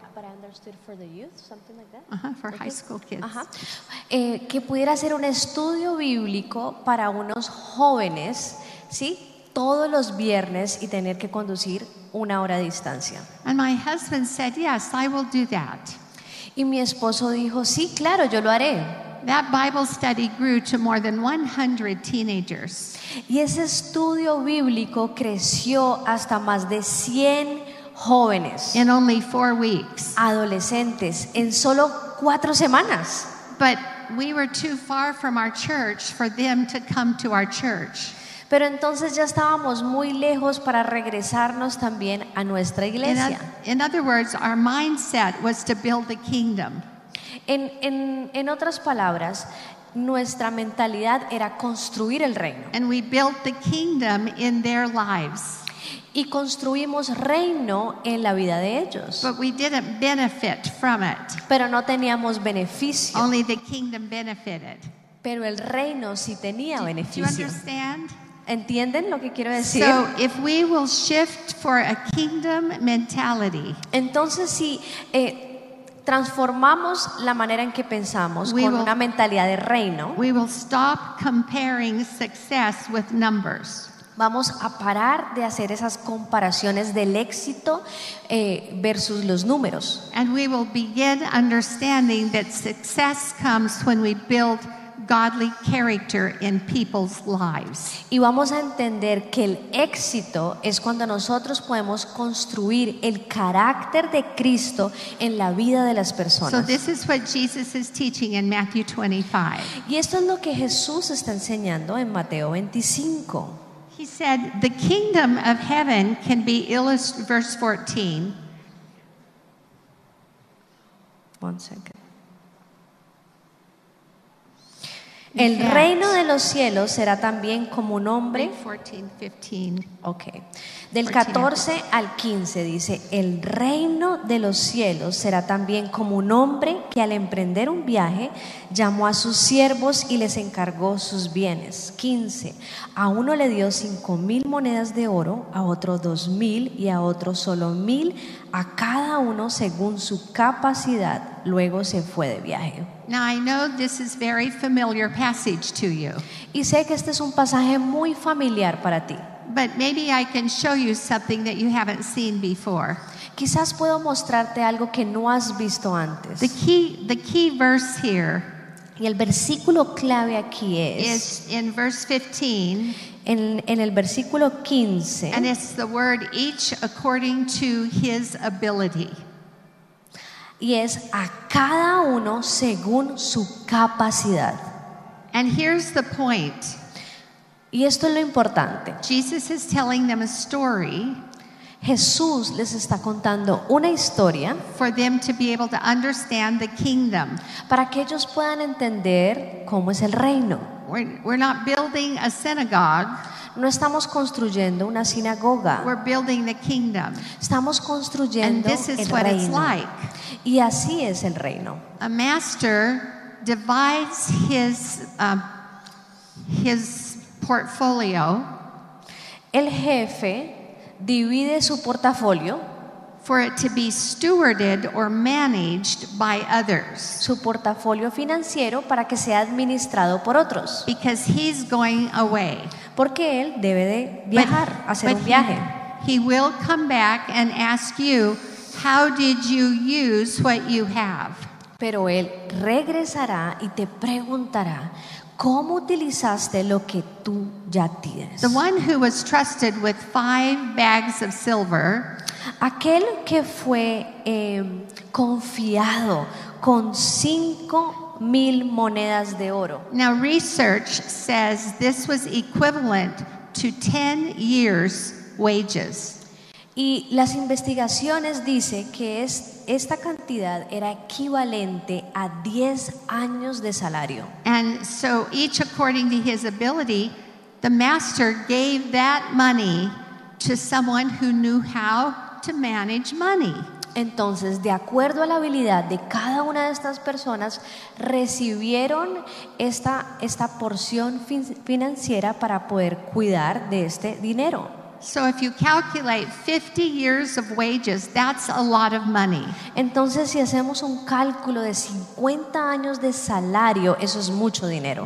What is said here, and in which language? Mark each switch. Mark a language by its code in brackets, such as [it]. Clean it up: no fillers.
[en] But I understood for the youth, something like that. Uh-huh, for high school kids. Uh-huh. [es] Que pudiera hacer un estudio bíblico para unos jóvenes, ¿sí? Todos los viernes y tener que conducir una hora de distancia. [en] And my husband said, "Yes, I will do that." [es] Y mi esposo dijo, "Sí, claro, yo lo haré." [en] That Bible study grew to more than 100 teenagers. [es] Y ese estudio bíblico creció hasta más de 100 jóvenes. [en] In only 4 weeks. [es] Adolescentes en solo 4 semanas. [en] But we were too far from our church for them to come to our church. [es] Pero entonces ya estábamos muy lejos para regresarnos también a nuestra iglesia. [en] In other words, our mindset was to build the kingdom. [es] En otras palabras, nuestra mentalidad era construir el reino. [en] And we built the kingdom in their lives. [es] Y construimos reino en la vida de ellos. [en] But we didn't benefit from it. [es] Pero no teníamos beneficio. [en] Only the kingdom benefited. [es] Pero el reino sí tenía beneficio. [en] Do you understand? [es] ¿Entienden lo que quiero decir? [en] So if we will shift for a kingdom mentality, [es] entonces si transformamos la manera en que pensamos con una mentalidad de reino, [en] we will stop comparing success with numbers. [es] Vamos a parar de hacer esas comparaciones del éxito versus los números. [en] And we will begin understanding that success comes when we build godly character in people's lives. [es] Y vamos a entender que el éxito es cuando nosotros podemos construir el carácter de Cristo en la vida de las personas. [en] So this is what Jesus is teaching in Matthew 25. [es] Y esto es lo que Jesús está enseñando en Mateo 25. [en] He said, "The kingdom of heaven can be illustrated." Verse 14. One second. [es] El reino de los cielos será también como un hombre. [en] 14, 15. Okay. [es] Del 14 al 15 dice: El reino de los cielos será también como un hombre que al emprender un viaje llamó a sus siervos y les encargó sus bienes. 15. A uno le dio 5,000 monedas de oro, a otro 2,000 y a otro solo 1,000, a cada uno según su capacidad. Luego se fue de viaje. [en] Now I know this is very familiar passage to you. [es] Y sé que este es un pasaje muy familiar para ti. [en] But maybe I can show you something that you haven't seen before. [es] Quizás puedo mostrarte algo que no has visto antes. [en] The key verse here. [es] Y el versículo clave aquí es [en] is in verse 15. [es] En el versículo 15. [en] And it's the word each according to his ability. [es] Y es a cada uno según su capacidad. [en] And here's the point. [es] Y esto es lo importante. [en] Jesus is telling them a story. [es] Jesús les está contando una historia. [en] For them to be able to understand the kingdom. [es] Para que ellos puedan entender cómo es el reino. [en] We're not building a synagogue. [es] No estamos construyendo una sinagoga. [en] We're building the kingdom. [es] Estamos construyendo el reino. [en] And this is what it's like. [es] Y así es el reino. [en] A master divides his portfolio. [es] El jefe divide su portafolio [en] for it to be stewarded or managed by others. [es] Su portafolio financiero para que sea administrado por otros. [en] Because he's going away. [es] Porque él debe de viajar, hacer un viaje. [en] He will come back and ask you, how did you use what you have? [es] Pero él regresará y te preguntará, ¿cómo utilizaste lo que tú ya tienes? [en] The one who was trusted with 5 bags of silver, [es] aquel que fue confiado con 5,000 monedas de oro. [en] Now research says this was equivalent to 10 years wages. [es] Y las investigaciones dicen que esta cantidad era equivalente a 10 años de salario. [en] And so each according to his ability, the master gave that money to someone who knew how to manage money. [es] Entonces, de acuerdo a la habilidad de cada una de estas personas, recibieron esta porción financiera para poder cuidar de este dinero. [en] So if you calculate 50 years of wages, that's a lot of money. [es] Entonces, si hacemos un cálculo de 50 años de salario, eso es mucho dinero.